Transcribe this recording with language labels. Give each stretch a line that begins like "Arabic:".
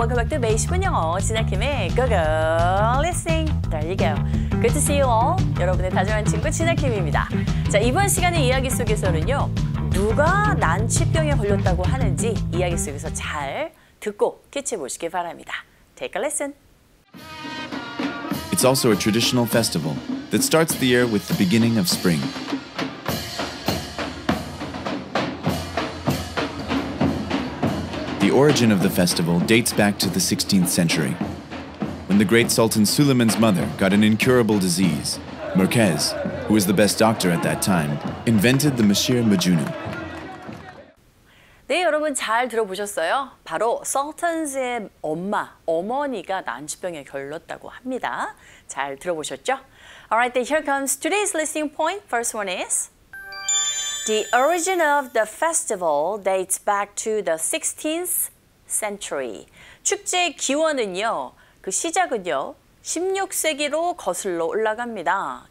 Korean: 10분 영어 지나킴의 고고 리싱.
English: There you go. Good to see you all.
Korean: 여러분의 다정한 친구 지나킴입니다. 자, 이번 시간의 이야기 속에서는요, 누가 난치병에 걸렸다고 하는지 이야기 속에서 잘 듣고 캐치해 보시기 바랍니다.
English: Take a listen. It's also a traditional festival that starts the year with the beginning of spring. The origin of the festival dates back to the 16th century, when the great Sultan Suleiman's mother got an incurable disease. Merkez, who was the best doctor at that time, invented the Mashir Majunu.
Korean: 네, 여러분 잘 들어보셨어요? 바로 Sultan's 엄마, 어머니가 난치병에 걸렸다고 합니다. 잘 들어보셨죠?
English: Alright, then here comes today's listening point. First one is... The origin of the festival dates back to the 16th century.
Korean: 축제의 기원은요, 그 시작은요, 16세기로 거슬러 올라갑니다.